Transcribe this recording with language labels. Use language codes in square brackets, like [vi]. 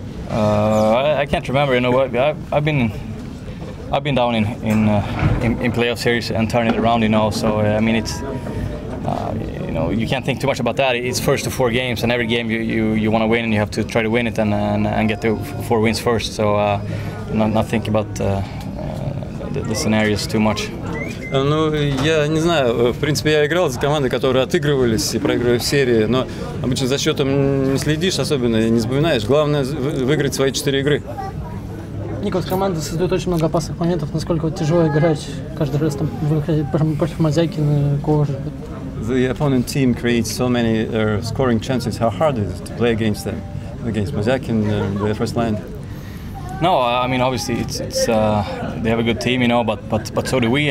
[en] I can't remember, you know what, I've been down in playoff series and turning it around, you know. So I mean, it's you know, you can't think too much about that. It's first of 4 games, and every game you want to win, and you have to try to win it and get the 4 wins first. So not thinking about the scenarios too much. [ru] Ну, я не знаю. В принципе, я играл за команды, которые отыгрывались и проигрывали в серии, но обычно за счетом не следишь, особенно не запоминаешь. Главное выиграть свои 4 игры. Николас, команда создает очень много опасных моментов. Насколько тяжело играть каждый раз там выходить против мозаики на коже? [en] The opponent team creates so many scoring chances. How hard is it to play against them, against Mozakin, the first line? No, I mean obviously it's they have a good team, you know, but so do we.